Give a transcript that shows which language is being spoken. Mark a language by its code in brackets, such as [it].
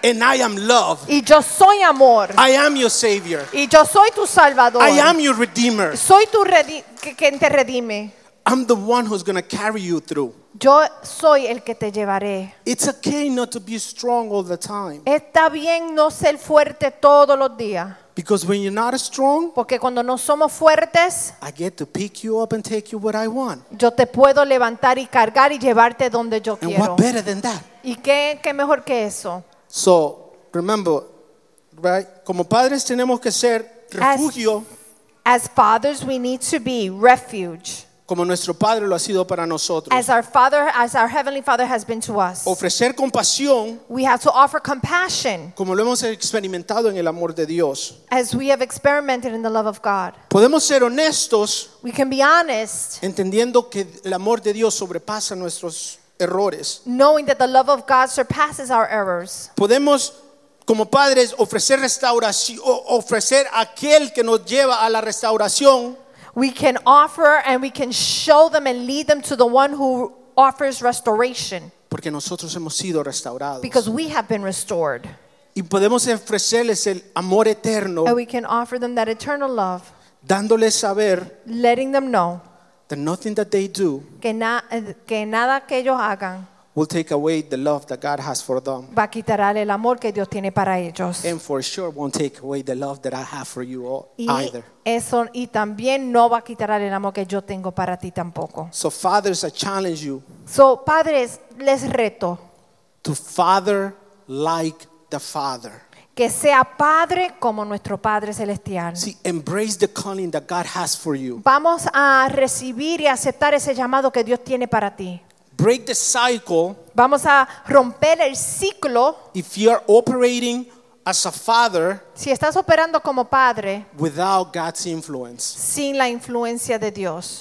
[en] And I am love. [es] Y yo soy amor. [en] I am your savior. [es] Y yo soy tu salvador. [en] I am your redeemer. [es] Soy tu quien te redime. [en] I'm the one who's going to carry you through. [es] Yo soy el que te llevaré. [en] It's okay not to be strong all the time. [es] Está bien no ser fuerte todos los días. [en] Because when you're not strong, [es] porque cuando no somos fuertes, [en] I get to pick you up and take you where I want. [es] Yo te puedo levantar y cargar y llevarte donde yo quiero. [en] And what better than that? [es] ¿Y qué mejor que eso? [en] So, remember, right? [es] Como padres tenemos que ser refugio. [en] As fathers, we need to be refuge. [es] Como nuestro Padre lo ha sido para nosotros. [en] As our Father, as our Heavenly Father has been to us. [es] Ofrecer compasión. [en] We have to offer compassion. [es] Como lo hemos experimentado en el amor de Dios. [en] As we have experimented in the love of God. [es] Podemos ser honestos. [en] We can be honest. [es] Entendiendo que el amor de Dios sobrepasa nuestros errores. [en] Knowing that the love of God surpasses our errors. [es] Podemos, como padres, ofrecer restauración, ofrecer aquel que nos lleva a la restauración. [en] We can offer and we can show them and lead them to the one who offers restoration. [es] Porque nosotros hemos sido restaurados. [en] Because we have been restored. [es] Y podemos ofrecerles el amor eterno. [en] And we can offer them that eternal love. [es] Dándoles saber. [en] Letting them know. That nothing that they do. [es] Que nada que ellos hagan. [en] Will take away the love that God has for them. [es] Va a quitarle el amor que Dios tiene para ellos. [en] And for sure won't take away the love that I have for you all either. [es] Eso, y también no va a quitarle el amor que yo tengo para ti tampoco. [en] So fathers, I challenge you. [es] So padres, les reto. [en] To father like the Father. [es] Que sea padre como nuestro Padre celestial. [en] See, embrace the calling that God has for you. [es] Vamos a recibir y aceptar ese llamado que Dios tiene para ti. [en] break the cycle. [es] Vamos a romper el ciclo. [en] If you are operating as a father, [es] si estás operando como padre, [en] without God's influence, [es] sin la influencia de Dios,